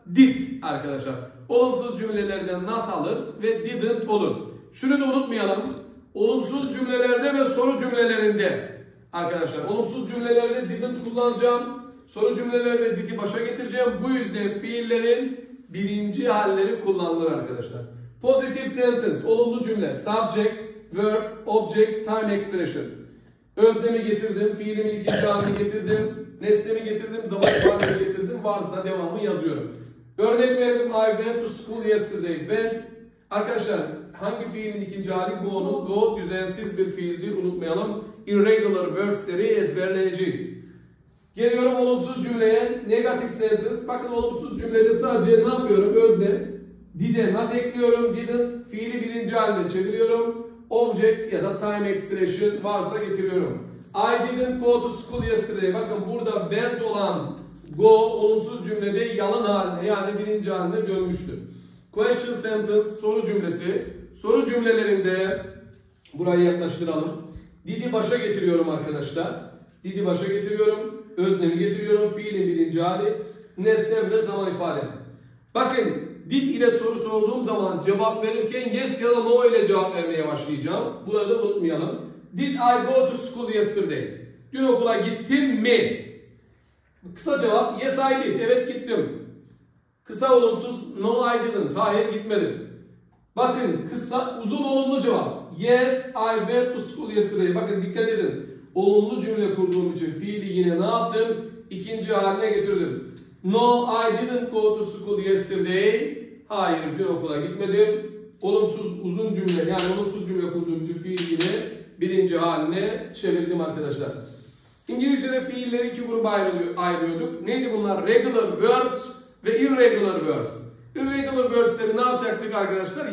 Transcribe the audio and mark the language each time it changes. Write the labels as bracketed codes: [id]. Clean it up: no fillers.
[tr] Did arkadaşlar. Olumsuz cümlelerden not alır ve didn't olur. Şunu da unutmayalım. Olumsuz cümlelerde ve soru cümlelerinde arkadaşlar, olumsuz cümlelerde didn't kullanacağım. Soru cümlelerde did'i başa getireceğim. Bu yüzden fiillerin birinci halleri kullanılır arkadaşlar. [en] Positive sentence, [tr] olumlu cümle. [en] Subject, verb, object, time expression. [tr] Öznemi getirdim, fiilimin ikinci halini getirdim. Nesnemi getirdim, zaman halini getirdim. Varsa devamı yazıyorum. Örnek verdim. [en] I went to school yesterday. [tr] Went. Arkadaşlar, hangi fiilin ikinci hali? Go. Go düzensiz bir fiildir. Unutmayalım. Irregular verbs'leri ezberleyeceğiz. Geliyorum olumsuz cümleye. [en] Negative sentence. [tr] Bakın olumsuz cümlede sadece ne yapıyorum? Özne. Did'e not ekliyorum. Didn't. Fiili birinci haline çeviriyorum. Object ya da time expression varsa getiriyorum. [en] I didn't go to school yesterday. [tr] Bakın burada went olan go olumsuz cümlede yalın haline, yani birinci haline dönmüştür. [en] Question sentence, [tr] soru cümlesi. Soru cümlelerinde burayı yaklaştıralım. Did'i başa getiriyorum arkadaşlar. Did'i başa getiriyorum. Öznemi getiriyorum. Fiilin birinci hali. Nesne ve zaman ifade. Bakın, did ile soru sorduğum zaman cevap verirken yes ya da no ile cevap vermeye başlayacağım. Bunu da unutmayalım. [en] Did I go to school yesterday? [tr] Dün okula gittim mi? Kısa cevap, [en] yes I did. [tr] Evet gittim. Kısa olumsuz, [en] no I didn't. [tr] Hayır gitmedim. Bakın kısa, uzun olumlu cevap. [en] Yes I went to school yesterday. [tr] Bakın dikkat edin. Olumlu cümle kurduğum için fiili yine ne yaptım? İkinci haline getirdim. [en] No I didn't go to school yesterday. [tr] Hayır dün okula gitmedim. Olumsuz uzun cümle, yani olumsuz cümle kurduğum için fiili yine birinci haline çevirdim arkadaşlar. İngilizce'de fiilleri iki gruba ayırıyorduk. Neydi bunlar? [en] Regular verbs [tr] ve irregular verbs. Irregular verbs'leri ne yapacaktık arkadaşlar?